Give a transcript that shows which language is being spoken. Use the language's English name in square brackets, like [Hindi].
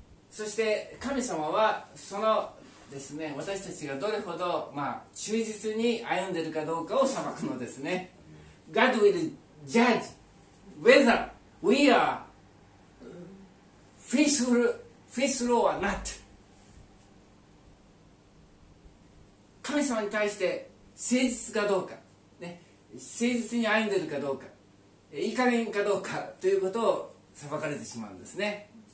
[Japanese] そして神様はそのですね、私たちがどれほど、忠実に歩んでいるかどうかを裁くのですね。 [English] God will judge whether we are faithful or not. [Japanese] 神様に対して誠実かどうか。誠実に歩んでいるかどうか、いい加減かどうかということを裁かれてしまうんですね。